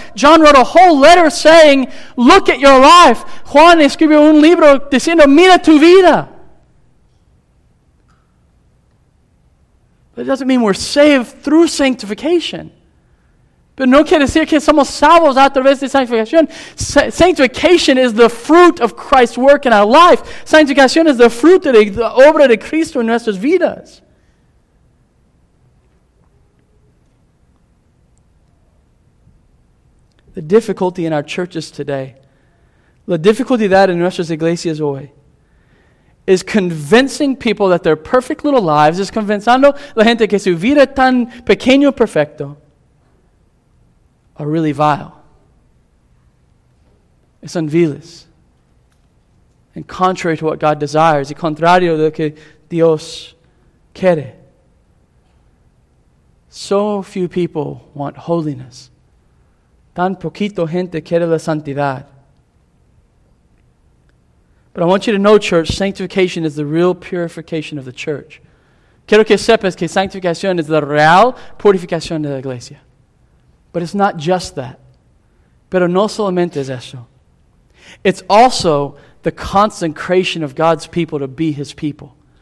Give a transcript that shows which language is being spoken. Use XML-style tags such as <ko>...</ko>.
<en>John wrote a whole letter saying, look at your life.</en> <es>Juan escribió un libro diciendo, mira tu vida.</es> <en>But it doesn't mean we're saved through sanctification.</en> <es>Pero no quiere decir que somos salvos a través de sanctificación.</es> <en>Sanctification is the fruit of Christ's work in our life.</en> <es>Sanctificación</es> <en>is the fruit of the</en> <es>obra de Cristo en nuestras vidas.</es> <en>The difficulty in our churches today, the difficulty that in</en> <es>nuestras iglesias hoy,</es> <en>is convincing people that their perfect little lives, is</en> <es>convincando la gente que su vida tan pequeño perfecto,</es> <en>are really vile.</en> <es>Es un viles.</es> <en>And contrary to what God desires,</en> <es>y contrario de lo que Dios quiere.</es> <en>So few people want holiness.</en> <es>Tan poquito gente quiere la santidad.</es> <en>But I want you to know, church, sanctification is the real purification of the church.</en> <es>Quiero que sepas que sanctificación es la real purificación de la iglesia.</es> <en>But it's not just that.</en> <es>Pero no solamente es eso.</es> <en>It's also the consecration of God's people to be His people.</en>